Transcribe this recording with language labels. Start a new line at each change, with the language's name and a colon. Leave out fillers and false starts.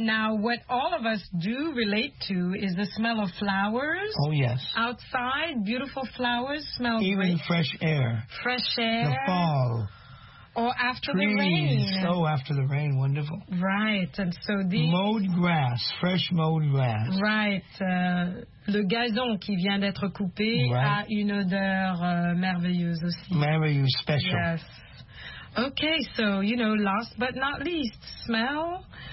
English: Now, what all of us do relate to is the smell of flowers. Oh, yes. Outside, beautiful flowers smell even great. Even fresh air. Fresh air. The fall. Or after trees. The rain. So after the rain, wonderful. Right. And so the... Mowed grass, fresh mowed grass. Right.
French: Le gazon qui vient d'être coupé
English: right.
French: a une odeur merveilleuse aussi. Merveilleuse, special.
English: Yes. Okay, so, you know, last but not least, smell.